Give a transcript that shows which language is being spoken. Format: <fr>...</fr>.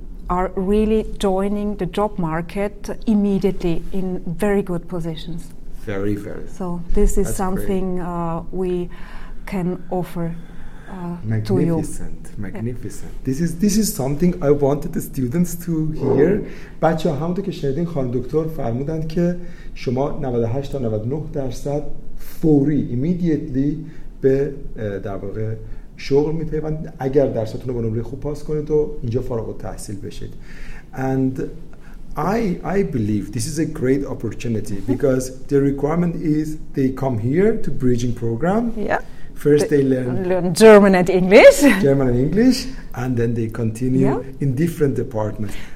<en>are really joining the job market immediately in very good positions. Very, very. So this is something we can offer to you. Magnificent, magnificent. Yeah. This is something I wanted the students to hear.</en> <fa>بچه هم تو که شنیدین خانم دکتر فرمودند که شما 98 تا 99% فوری immediately به در واقع شغل میپیوند اگر درستتون رو با نمره خوب پاس کنید و اینجا فارغ التحصیل بشید.</fa> <en>And I believe this is a great opportunity because the requirement is they come here to bridging program. Yeah. First they learn German and English. German and English, and then they continue in different departments.</en>